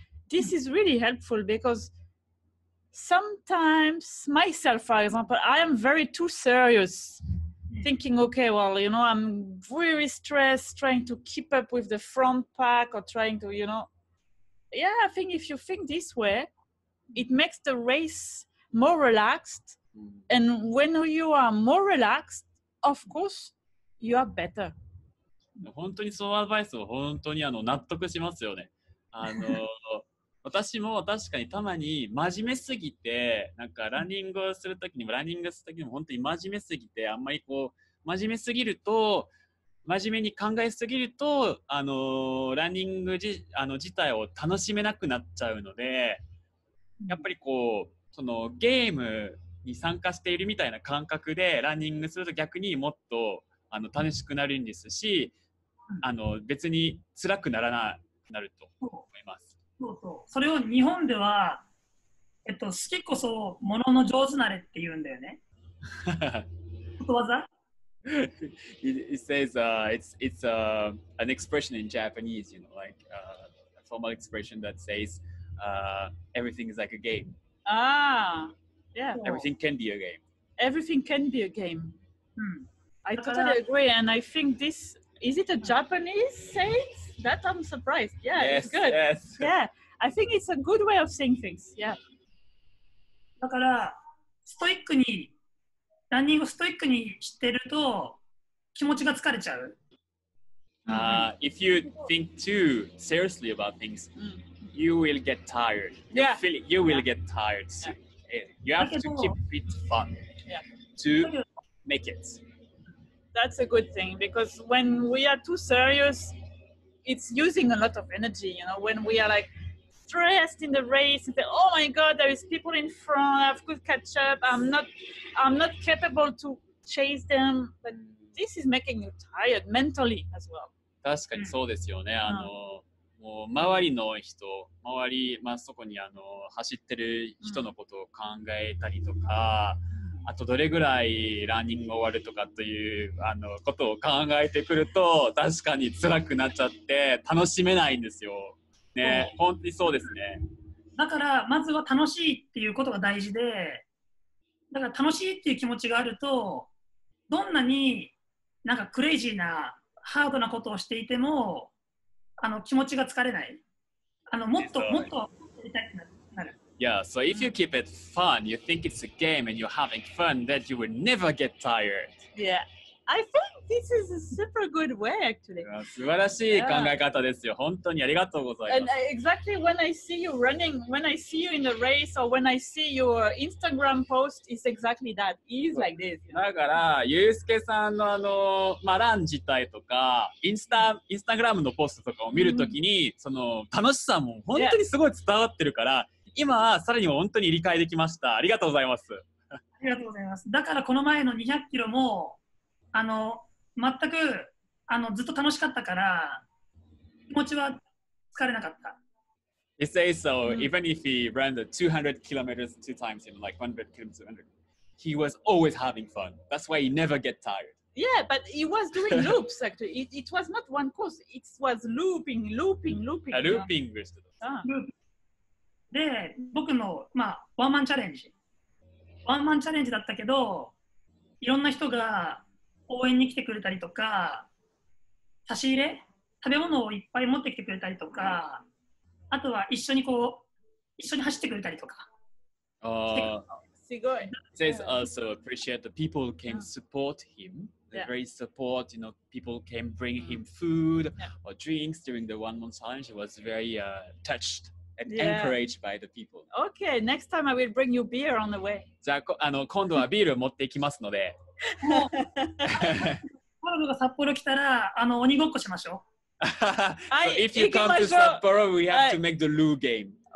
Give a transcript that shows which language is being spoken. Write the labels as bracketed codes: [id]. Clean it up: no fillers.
[en] This is really helpful because sometimes myself, for example, I am very too serious, thinking, okay, well, you know, I'm very stressed trying to keep up with the front pack or trying to, you know. Yeah, I think if you think this way, it makes the race more relaxed. And when you are more relaxed, of course, you are better. [ja] 本当にそのアドバイスを本当にあの納得しますよね。あの私も確かにたまに真面目すぎて、なんかランニングをするときにも、ランニングするときにも本当に真面目すぎて、あんまりこう、真面目すぎると、真面目に考えすぎると、ランニング自体を楽しめなくなっちゃうので、やっぱりこう、そのゲームに参加しているみたいな感覚でランニングすると逆にもっと、楽しくなるんですし、別に辛くならなくなると思います。それを日本では、好きこそものの上手なれって言うんだよね。ことわざ [en] It says, it's an expression in Japanese, you know, like a formal expression that says, everything is like a game. Ah, yeah. Everything can be a game. Everything can be a game.、Hmm. I totally agree, and I think this, is it a Japanese saying? That I'm surprised. Yeah, yes, it's good. Yes. Yeah. I think it's a good way of seeing things. Yeah. [ja] だからストイックにランニングをストイックにしてると気持ちが疲れちゃう。 [en] If you think too seriously about things, you will get tired. Yeah. You will get tired. Yeah. You have to keep it fun. Yeah. To make it. That's a good thing because when we are too serious, it's using a lot of energy. You know, when we are like. Stressed in the race and say, oh my god, there is people in front, I could catch up, I'm not capable to chase them. But this is making you tired mentally as well. [ja] 確かにそうですよね。もう周りの人、周り、そこに走ってる人のことを考えたりとか、あとどれぐらいランニング終わるとかということを考えてくると、確かに辛くなっちゃって楽しめないんですよ。ね、本当にそうですね。だからまずは楽しいっていうことが大事で、だから楽しいっていう気持ちがあると、どんなになんかクレイジーなハードなことをしていても、気持ちが疲れない。もっとやりたいってなる。 [en] Yeah, so if you keep it fun, you think it's a game and you're having fun, then you will never get tired. Yeah, I think. This is a super good way, actually. [ja] 素晴らしい考え方ですよ。本当にありがとうございます。 [en] And exactly when I see you running, when I see you in the race, or when I see your Instagram post, it's exactly that. It's like this. [ja] だから、ゆうすけさんのラン自体とか、インスタグラムのポストとかを見るときに、その楽しさも本当にすごい伝わってるから、今はさらに本当に理解できました。ありがとうございます。ありがとうございます。だからこの前の200キロも、全く、ずっと楽しかったから、気持ちは疲れなかった。 [en] It says so, even if he ran the 200 kilometers two times, like 100 kilometers, he was always having fun. That's why he never get tired. Yeah, but it was doing loops actually. It was not one course. It was looping, looping, looping. [ja] Looping でした。で、僕の、まあ、ワンマンチャレンジ。ワンマンチャレンジだったけど、いろんな人が応援に来てくれたりとか、差し入れ、食べ物をいっぱい持ってきてくれたりとか、あとは一緒にこう、一緒に走ってくれたりとか。すごい。 [en] Says also appreciate the people who can support him. They're very support, you know, people can bring him food or drinks during the one month challenge. He was very touched and encouraged by the people. Okay, next time I will bring you beer on the way. [ja] じゃあ、今度はビール持っていきますので。もう、コロナが札幌来たら、鬼ごっこしましょう。 [en] If you come to Sapporo, we have to make the loo game.